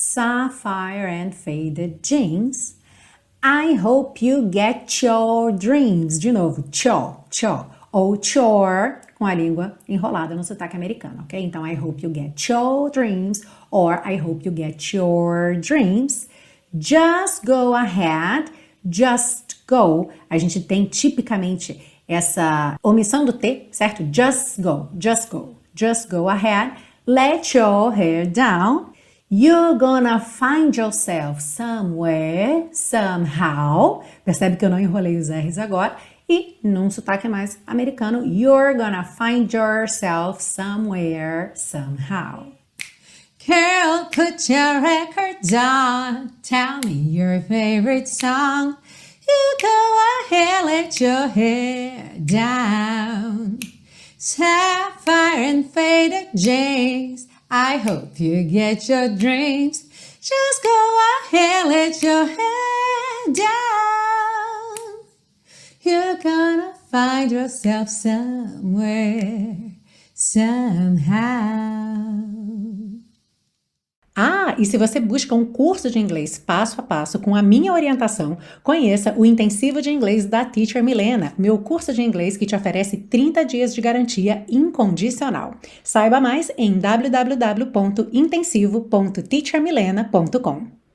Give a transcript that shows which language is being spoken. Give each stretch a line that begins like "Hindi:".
English: Sapphire and faded jeans. I hope you get your dreams.
Portuguese: De novo, cho. Ou chore, com a língua enrolada no sotaque americano, ok? Então,
English: I hope you get your dreams. Or, I hope you get your dreams. Just go ahead. Just go.
Portuguese: A gente tem tipicamente essa omissão do T, certo?
English: Just go. Just go ahead, let your hair down. You're gonna find yourself somewhere, somehow.
Portuguese: Percebe que eu não enrolei os R's agora. E num sotaque mais americano,
English: you're gonna find yourself somewhere, somehow. Girl, put your record down. Tell me your favorite song. You go ahead, let your hair down. Sapphire and faded jeans, I hope you get your dreams. Just go ahead, let your head down. You're gonna find yourself somewhere, somehow.
Portuguese: Ah, e se você busca um curso de inglês passo a passo com a minha orientação, conheça o Intensivo de Inglês da Teacher Milena, meu curso de inglês que te oferece 30 dias de garantia incondicional. Saiba mais em www.intensivo.teachermilena.com.